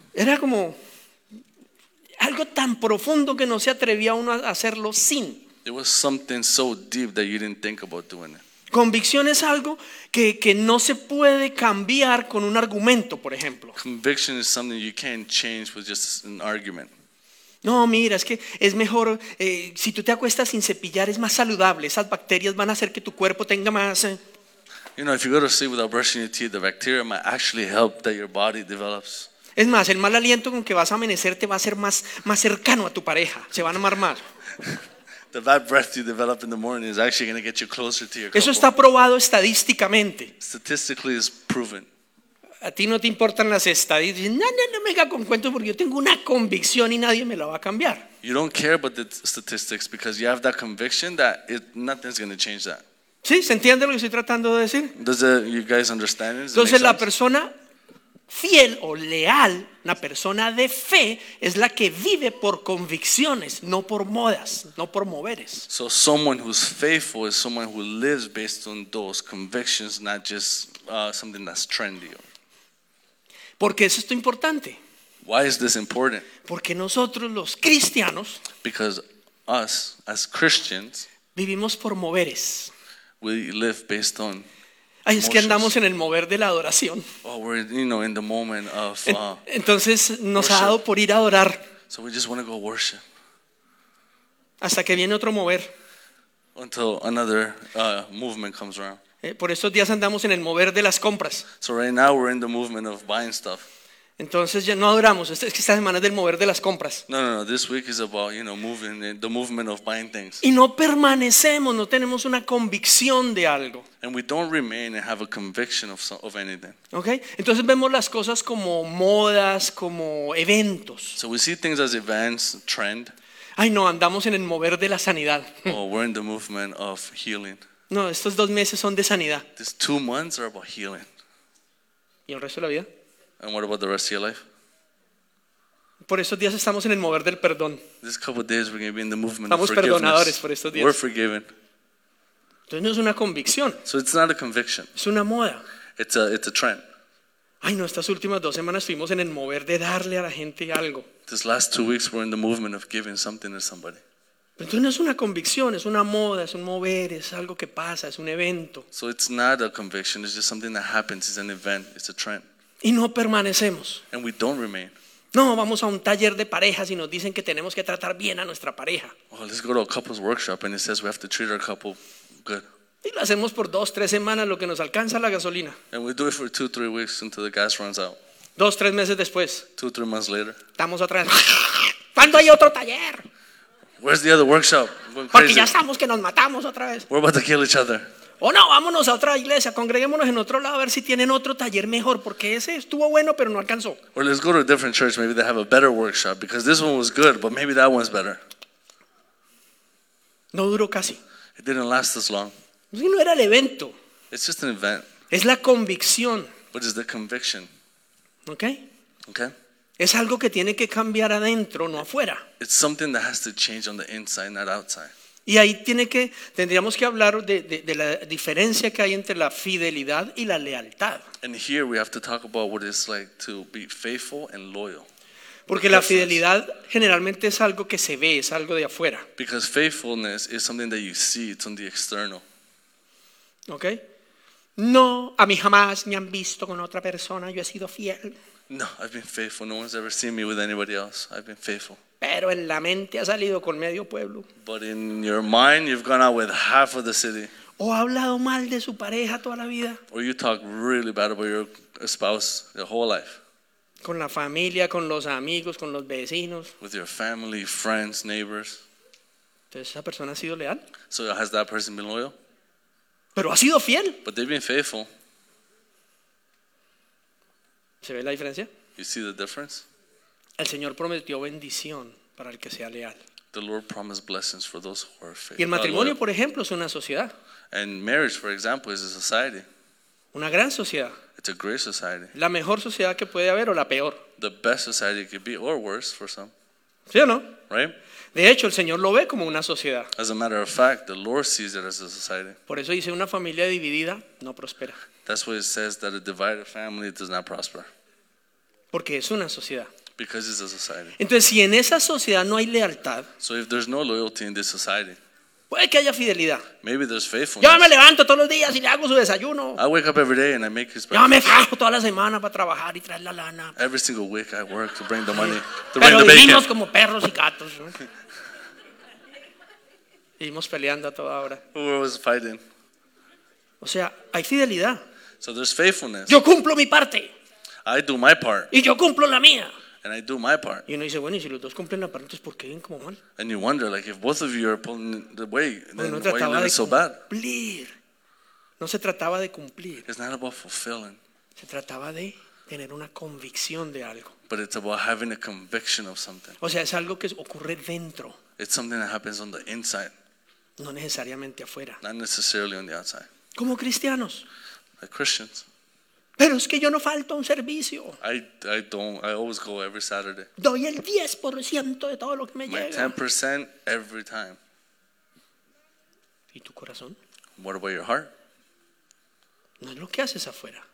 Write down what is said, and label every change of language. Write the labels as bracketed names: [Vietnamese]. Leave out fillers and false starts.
[Spanish] Era como algo tan profundo que no se atrevía uno a hacerlo sin. [English] It was something so deep that you didn't think about doing it. [Spanish] Convicción es algo que no se puede cambiar con un argumento, por ejemplo. [English] Conviction is something you can't change with just an argument. [Spanish] No, mira, es que es mejor, si tú te acuestas sin cepillar, es más saludable. Esas bacterias van a hacer que tu cuerpo tenga más. [English] You know, if you go to sleep without brushing your teeth, the bacteria might actually help that your body develops. [Spanish] Es más, el mal aliento con que vas a amanecer te va a ser más cercano a tu pareja. Se van a amar más. [English] The bad breath you develop in the morning is actually going to get you closer to your couple. [Spanish] Eso está probado estadísticamente. [English] Statistically is proven. [Spanish] A ti no te importan las estadísticas. No me haga con cuentos porque yo tengo una convicción y nadie me la va a cambiar. [English] You don't care about the statistics because you have that conviction that nothing's going to change that. [Spanish] ¿Sí? ¿Se entiende lo que estoy tratando de decir? [English] You guys understand it? [Spanish] Entonces la persona Fiel o leal, una persona de fe, es la que vive por convicciones, no por modas, no por moveres. [English] So someone who's faithful is someone who lives based on those convictions, not just something that's trendy. [Spanish] Porque eso es importante. [English] Why is this important? [Spanish] Porque nosotros los cristianos, [English] because us as Christians, [Spanish] vivimos por moveres. [English] We live based on. [Spanish] Ay, es que andamos en el mover de la adoración. [English] Oh, we're, you know, in the moment of, [Spanish] entonces nos worship. Ha dado por ir a adorar. [English] So we just want to go worship. [Spanish] Hasta que viene otro mover. [English] Until another movement comes around. [Spanish] Por estos días andamos en el mover de las compras. [English] So right now we're in the movement of buying stuff. [Spanish] Entonces ya no adoramos. Es que esta semana es del mover de las compras. No. [English] This week is about, you know, moving, the movement of buying things. [Spanish] Y no permanecemos, no tenemos una convicción de algo. [English] And we don't remain and have a conviction of anything. Okay. [Spanish] Entonces vemos las cosas como modas, como eventos. [English] So we see things as events, trend. [Spanish] Ay no, andamos en el mover de la sanidad. [English] Oh, we're in the movement of healing. [Spanish] No, estos dos meses son de sanidad. [English] These 2 months are about healing. [Spanish] ¿Y el resto de la vida? [English] And what about the rest of your life? [Spanish] Por estos días estamos en el mover del perdón. [English] This couple of days we're going to be in the movement [Spanish] estamos [English] of forgiveness. [Spanish] Estamos perdonadores por estos días. [English] We're forgiven. [Spanish] Entonces no es una convicción. [English] So it's not a conviction. [Spanish] Es una moda. [English] It's a trend. [Spanish] Ay no, estas últimas dos semanas estuvimos en el mover de darle a la gente algo. [English] These last 2 weeks we're in the movement of giving something to somebody. [Spanish] Entonces no es una convicción, es una moda, es un mover, es algo que pasa, es un evento. [English] So it's not a conviction, it's just something that happens, it's an event, it's a trend. [Spanish] Y no permanecemos. [English] And we don't remain. [Spanish] No, vamos a un taller de parejas y nos dicen que tenemos que tratar bien a nuestra pareja. [English] Well, let's go to a couple's workshop and it says we have to treat our couple good. [Spanish] Y lo hacemos por 2-3 semanas lo que nos alcanza la gasolina. [English] And we do it for 2-3 weeks until the gas runs out. [Spanish] 2-3 meses después. [English] 2-3 months later. [Spanish] Estamos otra vez. ¿Cuándo hay otro taller? [English] Where's the other workshop? [Spanish] Porque ya estamos que nos matamos otra vez. [English] We're about to kill each other. [Spanish] O no, vámonos a otra iglesia, congreguémonos en otro lado a ver si tienen otro taller mejor, porque ese estuvo bueno pero no alcanzó. [English] Or let's go to a different church, maybe they have a better workshop, because this one was good, but maybe that one's better. [Spanish] No duró casi. [English] It didn't last as long. [Spanish] Sí, no era el evento. [English] It's just an event. [Spanish] Es la convicción. [English] But it's the conviction. Okay. [Spanish] Es algo que tiene que cambiar adentro, no afuera. [English] It's something that has to change on the inside, not outside. [Spanish] Y ahí tendríamos que hablar de la diferencia que hay entre la fidelidad y la lealtad. [English] And here we have to talk about what it's like to be faithful and loyal. [Spanish] Porque la fidelidad generalmente es algo que se ve, es algo de afuera. [English] Because faithfulness is something that you see, it's on the external. Okay. [Spanish] No, a mí jamás me han visto con otra persona, yo he sido fiel. [English] No, I've been faithful. No one's ever seen me with anybody else. I've been faithful. [Spanish] Pero en la mente ha salido con medio pueblo. [English] But in your mind, you've gone out with half of the city. [Spanish] O ha hablado mal de su pareja toda la vida. [English] Or you talk really bad about your spouse your whole life. [Spanish] Con la familia, con los amigos, con los vecinos. [English] With your family, friends, neighbors. [Spanish] Entonces esa persona ha sido leal. [English] So has that person been loyal? [Spanish] Pero ha sido fiel. [English] But they've been faithful. [Spanish] ¿Se ve la diferencia? [English] You see the difference? [Spanish] El Señor prometió bendición para el que sea leal. [English] The Lord promised blessings for those who are faithful. [Spanish] Y el matrimonio, por ejemplo, es una sociedad. [English] And marriage, for example, is a society. [Spanish] Una gran sociedad. [English] It's a great society. [Spanish] La mejor sociedad que puede haber o la peor. [English] The best society could be or worse for some. [Spanish] ¿Sí o no? [English] Right? [Spanish] De hecho, el Señor lo ve como una sociedad. [English] As a matter of fact, the Lord sees it as a society. [Spanish] Por eso dice, una familia dividida no prospera. [English] That's why it says that a divided family does not prosper. [Spanish] Porque es una sociedad. [English] Because it's a society. [Spanish] Entonces, si en esa sociedad no hay lealtad, [English] so if there's no loyalty in this society, [Spanish] puede que haya fidelidad. [English] Maybe there's faithfulness. [Spanish] Yo me levanto todos los días y le hago su desayuno. [English] I wake up every day and I make his breakfast. [Spanish] Yo me fajo toda la semana para trabajar y traer la lana. [English] Every single week I work to bring the money, to [Spanish] pero [English] bring the bacon. [Spanish] Vivimos como perros y gatos. Vivimos peleando a toda hora. [English] We was fighting. [Spanish] O sea, hay fidelidad. [English] So there's faithfulness. [Spanish] Yo cumplo mi parte. [English] I do my part. [Spanish] Y yo cumplo la mía. [English] And I do my part. [Spanish] Y uno dice, bueno, y si los dos cumplen la parte, entonces ¿por qué ven como mal? [English] And you wonder, like, if both of you are pulling the weight, then no, why are you so bad? [Spanish] No se trataba de cumplir. [English] It's not about fulfilling. [Spanish] Se trataba de tener una convicción de algo. [English] But it's about having a conviction of something. [Spanish] O sea, es algo que ocurre dentro. [English] It's something that happens on the inside. [Spanish] No necesariamente afuera. [English] Not necessarily on the outside. [Spanish] Como cristianos. [English] Like Christians. [Spanish] Pero es que yo no falto un servicio. [English] I always go every Saturday. [Spanish] Doy el 10% de todo lo que me llega. [English] 10% every time. [Spanish] ¿Y tu corazón? [English] What about your heart? [Spanish] No es lo que haces afuera.